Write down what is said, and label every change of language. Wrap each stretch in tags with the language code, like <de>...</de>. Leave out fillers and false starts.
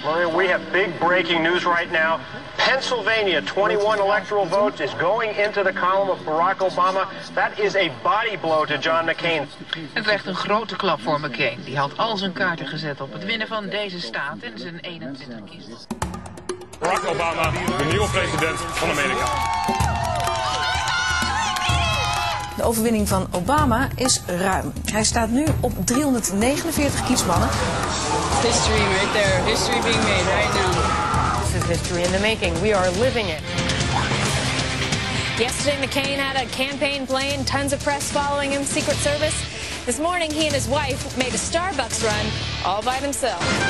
<en>Maria, we have big breaking news right now. Pennsylvania 21 electoral votes is going into the column of Barack Obama. That is a body blow to John McCain.</en> <nl>Het werd een grote klap voor McCain. Die had al zijn kaarten gezet op het winnen van deze staat in zijn 21 kiezen. Barack Obama, de nieuwe president van Amerika. De overwinning van Obama is ruim. Hij staat nu op 349 kiesmannen.</nl> <en>History right there. History being made right now. This is history in the making. We are living it. Yesterday, McCain had a campaign plane, tons of press following him, Secret Service. This morning, he and his wife made a Starbucks run all by themselves.</en>